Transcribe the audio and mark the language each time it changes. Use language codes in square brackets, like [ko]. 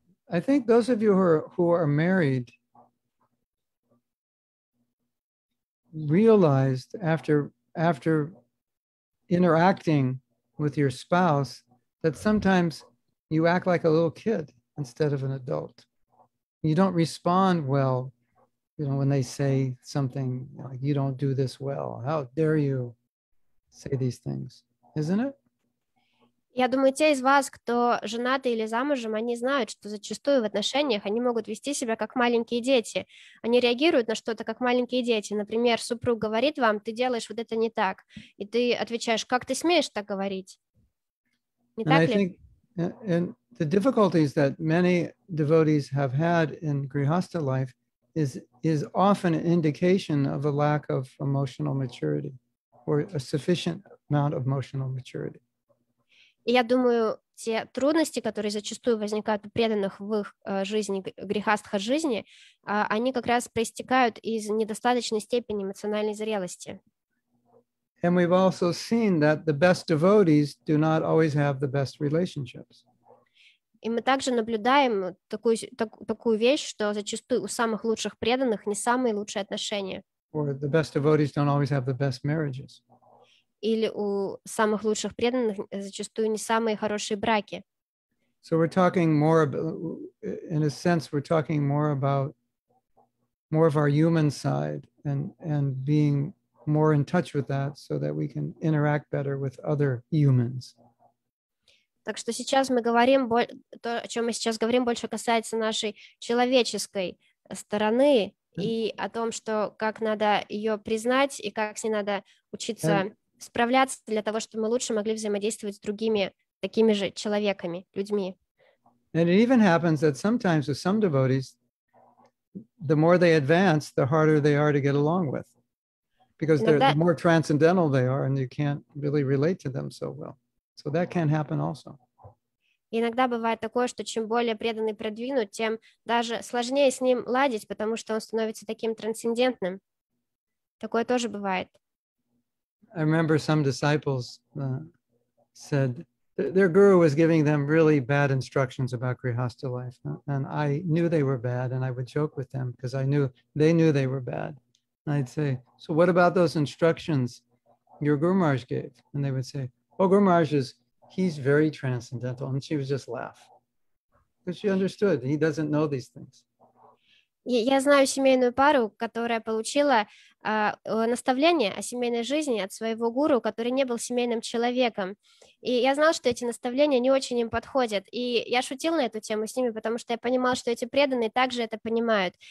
[en] I think those of you who are married realized after interacting with your spouse that sometimes you act like a little kid instead of an adult. You don't respond well, you know, when they say something like, you don't do this well. How dare you say these things, isn't it? [ru] Я думаю, те из вас, кто женаты или замужем, они знают, что зачастую в отношениях они могут вести себя как маленькие дети. Они реагируют на что-то как маленькие дети. Например, супруг говорит вам, ты делаешь вот это не так. И ты отвечаешь, как ты смеешь так говорить? Не [en] and [ru] так [en] I [ru] ли? [en] Think, and the difficulties that many devotees have had in grihastha life is often an indication of a lack of emotional maturity or a sufficient amount of emotional maturity. [ru] И я думаю, те трудности, которые зачастую возникают у преданных в их жизни, грехастха жизни, они как раз проистекают из недостаточной степени эмоциональной зрелости. [en] And we've also seen that the best devotees do not always have the best relationships. [ru] И мы также наблюдаем такую вещь, что зачастую у самых лучших преданных не самые лучшие отношения. [en] Or the best devotees don't always have the best marriages. [ru] Или у самых лучших преданных зачастую не самые хорошие браки. [en] So we're talking more about, in a sense, we're talking more about more of our human side and being more in touch with that so that we can interact better with other humans. [ru] Так что сейчас мы говорим, то, о чем мы сейчас говорим, больше касается нашей человеческой стороны и о том, что как надо ее признать и как с ней надо учиться справляться для того, чтобы мы лучше могли взаимодействовать с другими такими же человеками, людьми. [en] And it even happens that sometimes with some devotees, the more they advance, the harder they are to get along with. Because the more transcendental they are, and you can't really relate to them so well. So that can happen also. [ru] Иногда бывает такое, что чем более преданный продвинут, тем даже сложнее с ним ладить, потому что он становится таким трансцендентным. Такое тоже бывает. [en] I remember some disciples said their guru was giving them really bad instructions about grihastha life, and I knew they were bad, and I would joke with them because they knew they were bad. And I'd say, "So what about those instructions your Guru Maharaj gave?" And they would say, "Oh, Guru Maharaj he's very transcendental," and she would just laugh because she understood he doesn't know these things. [ru] Я знаю семейную пару, которая получила наставление о семейной жизни от своего гуру, который не был семейным человеком. И я знал, что эти наставления не очень им подходят. И я шутил на эту тему с ними, потому что я понимал, что эти преданные также это понимают.